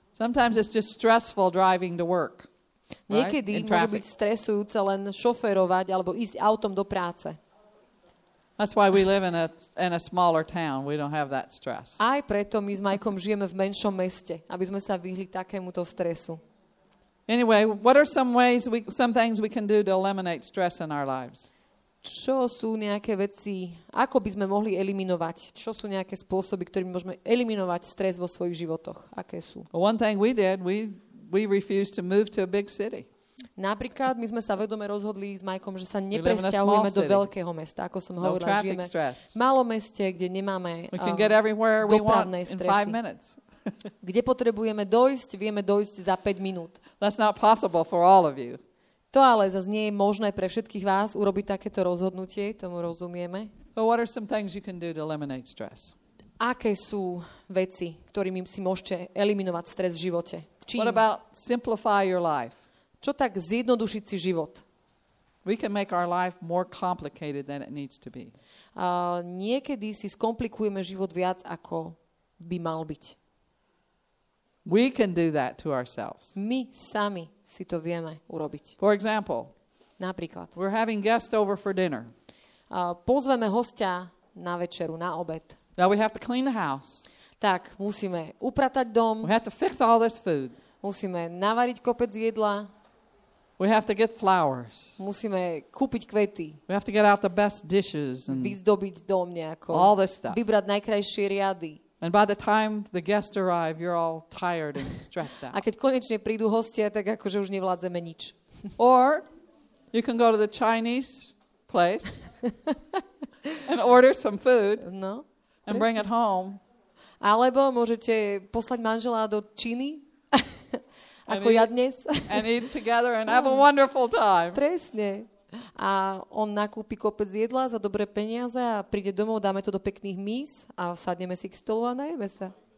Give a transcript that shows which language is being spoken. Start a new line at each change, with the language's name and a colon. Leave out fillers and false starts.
English: Sometimes it's just stressful driving to work.
Slovak: Niekedy môže byť stresujúce len šoférovať alebo ísť autom do práce.
English: That's why we live in a smaller town. We don't have that stress.
Slovak: Aj preto my s Majkom žijeme v menšom meste, aby sme sa vyhli takémuto stresu.
English: Anyway, what are some things we can do to eliminate stress in our lives?
Slovak: Čo sú nejaké veci, ako by sme mohli eliminovať? Čo sú nejaké spôsoby, ktorými môžeme eliminovať stres vo svojich životoch? Aké sú?
English: One thing we did, we refused to move to a big city.
Slovak: Napríklad, my sme sa vedome rozhodli s Majkom, že sa nepresťahujeme do veľkého mesta, ako som hovorila, žijeme v malom meste, kde nemáme dopravné stresy. Kde potrebujeme dojsť, vieme dojsť za 5 minút.
English: That's not possible for all of you.
Slovak: To ale zase nie je možné pre všetkých vás urobiť takéto rozhodnutie, tomu rozumieme.
English: So what are some things you can do to eliminate stress?
Slovak: Aké sú veci, ktorými si môžete eliminovať stres v živote? Čím?
English: What about simplify your life?
Slovak: Čo tak zjednodušiť si život?
English: We can make our life more complicated than it needs to be.
Slovak: Niekedy si skomplikujeme život viac, ako by mal byť.
English: We can do that to ourselves.
Slovak: My sami si to vieme urobiť.
English: For example,
Slovak: napríklad,
English: we're having guests over for dinner.
Slovak: Pozveme hostia na večeru, na obed.
English: Now we have to clean the house.
Slovak: Tak, musíme upratať dom.
English: We have to fix all this food.
Slovak: Musíme navariť kopec jedla.
English: We have to get flowers.
Slovak: Musíme kúpiť kvety.
English: We have to get out the best dishes and
Slovak: vyzdobiť dom nejako.
English: All this stuff.
Slovak: Vybrať najkrajšie riady.
English: And by the time the guests arrive, you're all tired and stressed out.
Slovak: A keď konečne prídu hostia, tak akože už nevládzeme nič.
English: Or you can go to the Chinese place and order some food.
Slovak: No.
English: And bring it home.
Slovak: Alebo môžete poslať manžela do Číny. Ako ja dnes.
English: And eat together and have a wonderful time.
Slovak: Presne. A on nakúpi kopec jedla za dobré peniaze a príde domov, dáme to do pekných mís a sadneme si k stolu a najeme sa.